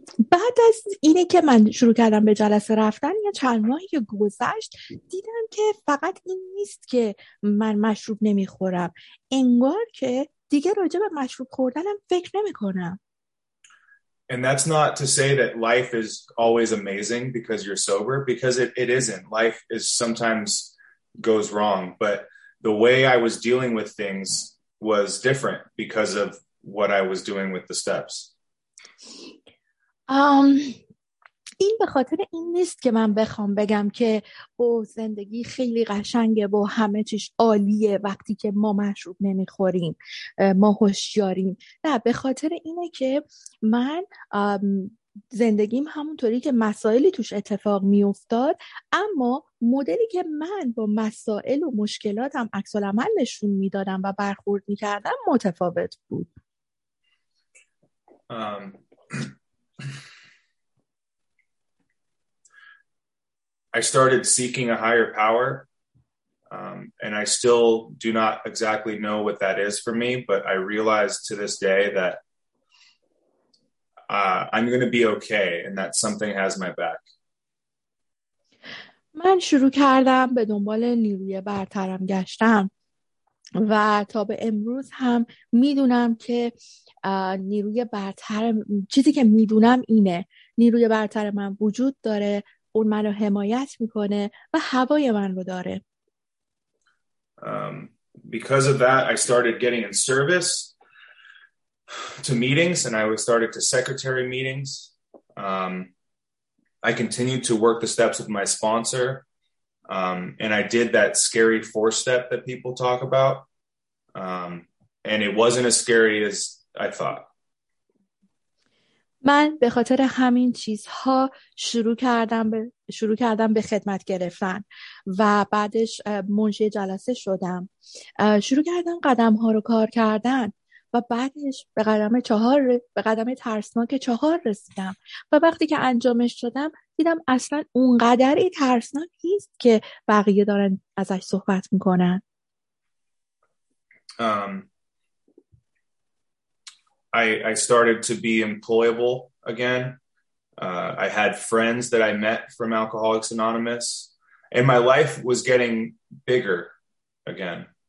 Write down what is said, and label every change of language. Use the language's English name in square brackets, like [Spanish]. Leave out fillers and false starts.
[Persian] بعد از اینه که من شروع کردم به جلسه رفتن، یه چند ماهی که گذشت، دیدم که فقط این نیست که من مشروب نمیخورم، انگار که دیگه راجع به مشروب خوردنم فکر نمیکنم. [English] And that's not to say that life is always amazing because you're sober, because it isn't. Life is sometimes goes wrong, but the way I was dealing with things was different because of what I was doing with the steps. [Persian] این به خاطر این نیست که من بخوام بگم که او زندگی خیلی قشنگه و همه چیش عالیه وقتی که ما مشروب نمیخوریم، ما هوشیاریم. نه، به خاطر اینه که من زندگیم همونطوری که مسائلی توش اتفاق میافتاد، اما مدلی که من با مسائل و مشکلاتم عکس العمل نشون میدادم و برخورد میکردم متفاوت بود. [English] I started seeking a higher power, and I still do not exactly know what that is for me, but I realized to this day that I'm going to be okay and that something has my back. [Persian] من شروع کردم به دنبال نیروی برترم گشتم و تا به امروز هم میدونم که نیروی برتر، چیزی که میدونم اینه، نیروی برتر من وجود داره، اون منو حمایت میکنه و هوای من رو داره. [English] Because of that I started getting in service to meetings and I started to secretary meetings. I continued to work the steps with my sponsor. And I did that scary four step that people talk about. And it wasn't as scary as I thought. [Persian] من به خاطر همین چیزها شروع کردم به خدمت گرفتن و بعدش منشی جلسه شدم. شروع کردم قدم ها رو کار کردن و بعدش به قدم ترسناک چهار رسیدم و وقتی که انجامش شدم دیدم اصلا اونقدر ترسناک نیست که بقیه دارن ازش صحبت میکنن. [English] I started to be employable again. I had friends that I met from Alcoholics Anonymous, and my life was getting bigger again.